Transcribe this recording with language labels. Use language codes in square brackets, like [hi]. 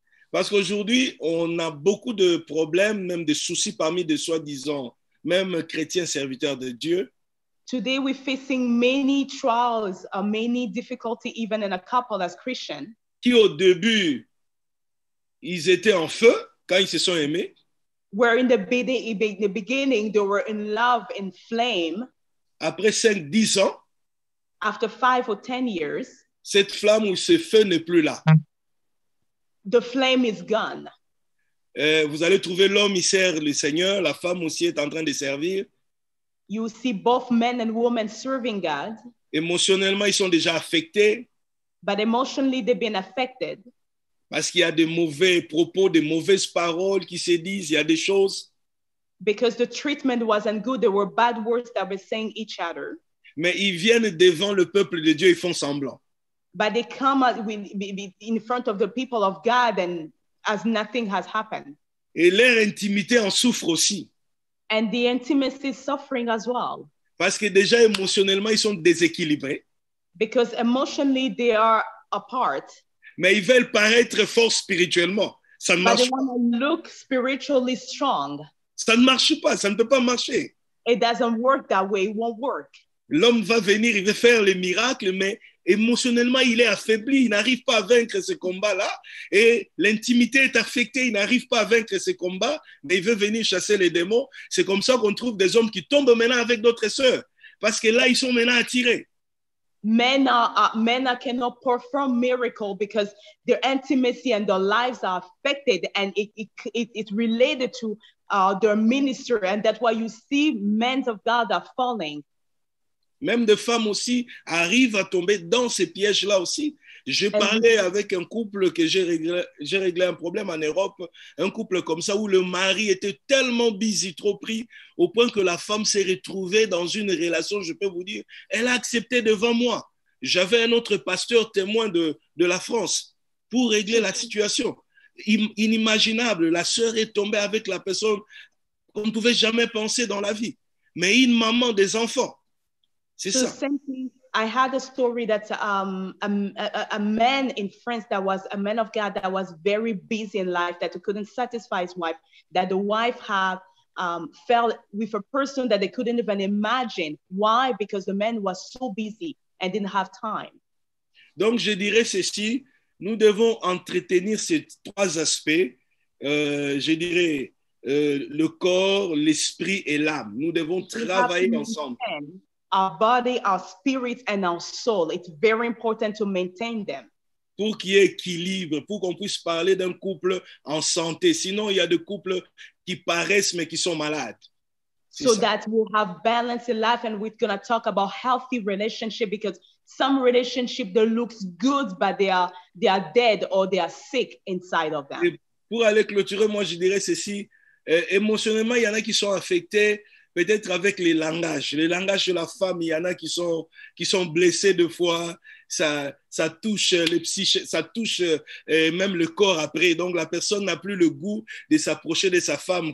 [fr] Parce qu'aujourd'hui, on a beaucoup de problèmes, même des soucis parmi des soi-disant, même chrétiens serviteurs de Dieu. [en] Today we're facing many trials, many difficulties, even in a couple as Christians. [fr] Qui au début, ils étaient en feu quand ils se sont aimés. [en] Where in the beginning, they were in love, in flame. [fr] Après 5-10 ans, [en] after 5 or 10 years, [fr] cette flamme ou ce feu n'est plus là. [en] The flame is gone. [fr] Vous allez trouver l'homme, il sert le Seigneur, la femme aussi est en train de servir. [en] You see both men and women serving God. [fr] Émotionnellement, ils sont déjà affectés. [en] But emotionally, they've been affected. [fr] Parce qu'il y a des mauvais propos, des mauvaises paroles qui se disent, il y a des choses. [en] Because the treatment wasn't good, there were bad words that were saying each other. [fr] Mais ils viennent devant le peuple de Dieu, ils font semblant. [en] But they come in front of the people of God and as nothing has happened. [fr] Et leur intimité en souffre aussi. [en] And the intimacy is suffering as well. [fr] Parce que déjà émotionnellement, ils sont déséquilibrés. [en] Because emotionally, they are apart. [fr] Mais ils veulent paraître forts spirituellement. Ça ne marche [en] pas. But they want to look spiritually strong. [fr] Ça ne marche pas, ça ne peut pas marcher. [en] It doesn't work that way, it won't work. [fr] L'homme va venir, il veut faire les miracles, mais émotionnellement, il est affaibli. Il n'arrive pas à vaincre ce combat-là. Et l'intimité est affectée. Il n'arrive pas à vaincre ce combat, mais il veut venir chasser les démons. C'est comme ça qu'on trouve des hommes qui tombent maintenant avec d'autres sœurs. Parce que là, ils sont maintenant attirés. [en] Men cannot perform miracles because their intimacy and their lives are affected. And it's related to their ministry. And that's why you see men of God are falling. [fr] Même des femmes aussi arrivent à tomber dans ces pièges-là aussi. J'ai parlé avec un couple que j'ai réglé un problème en Europe, un couple comme ça où le mari était tellement busy, trop pris, au point que la femme s'est retrouvée dans une relation, je peux vous dire, elle a accepté devant moi. J'avais un autre pasteur témoin de la France pour régler la situation. Inimaginable, la sœur est tombée avec la personne qu'on ne pouvait jamais penser dans la vie, mais une maman des enfants. [en] So same thing. I had a story that a man in France that was a man of God that was very busy in life that he couldn't satisfy his wife, that the wife had fell with a person that they couldn't even imagine. Why? Because the man was so busy and didn't have time. [fr] Donc je dirais ceci, nous devons entretenir ces trois aspects. Le corps, l'esprit et l'âme. Nous devons travailler ensemble. [en] Our body, our spirit, and our soul. It's very important to maintain them. [fr] Pour qu'il y ait équilibre, pour qu'on puisse parler d'un couple en santé. Sinon, il y a des couples qui paraissent, mais qui sont malades. [en] So that we'll have balance in life, and we're going to talk about healthy relationship, because some relationship that looks good, but they are dead or they are sick inside of them. Et [fr] pour aller clôturer, moi, je dirais ceci. Émotionnellement, il y en a qui sont affectés. Peut-être avec les langages de la femme, il y en a qui sont blessés des fois, ça touche les psyches, ça touche même le corps après. Donc, la personne n'a plus le goût de s'approcher de sa femme.